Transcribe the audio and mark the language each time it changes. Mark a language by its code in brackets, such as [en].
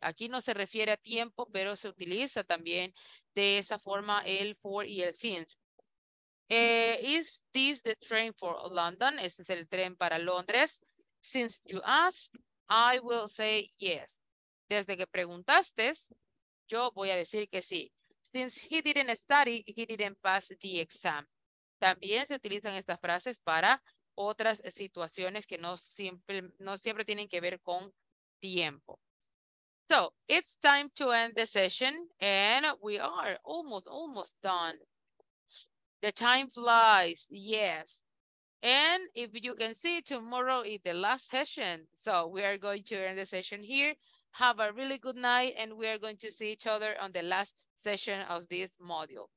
[es] Aquí no se refiere a tiempo, pero se utiliza también de esa forma el for y el since. [en] Is this the train for London? [es] Este es el tren para Londres. [en] Since you ask, I will say yes. [es] Desde que preguntaste, yo voy a decir que sí. [en] Since he didn't study, he didn't pass the exam. [es] También se utilizan estas frases para otras situaciones que no siempre tienen que ver con tiempo. [en] So, it's time to end the session and we are almost done. The time flies, yes. And if you can see, tomorrow is the last session. So, we are going to end the session here. Have a really good night, and we are going to see each other on the last session of this module.